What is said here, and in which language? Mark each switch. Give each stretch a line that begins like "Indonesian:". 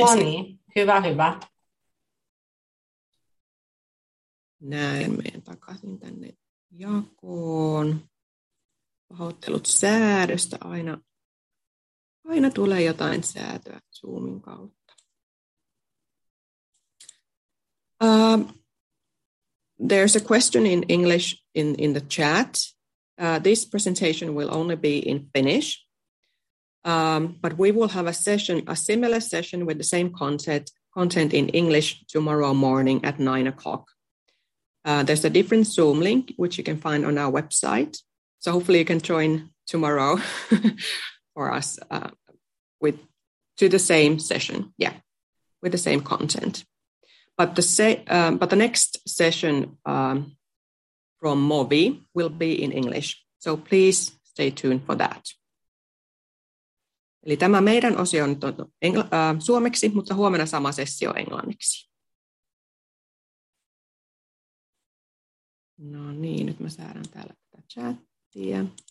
Finnish: No niin, hyvä, hyvä. Näin, menen takaisin tänne jakoon. Pahoittelut säädöstä, aina tulee jotain säätöä Zoomin kautta.
English: There's a question in English in the chat. This presentation will only be in Finnish, but we will have a similar session with the same content in English tomorrow morning at 9 o'clock. There's a different Zoom link, which you can find on our website. So hopefully you can join tomorrow for us to the same session. Yeah, with the same content. But the next session from Movi will be in English. So please stay tuned for that.
Finnish: Eli tämä meidän osio on suomeksi, mutta huomenna sama sessio englanniksi. No niin, nyt mä säädän täällä tätä chattia.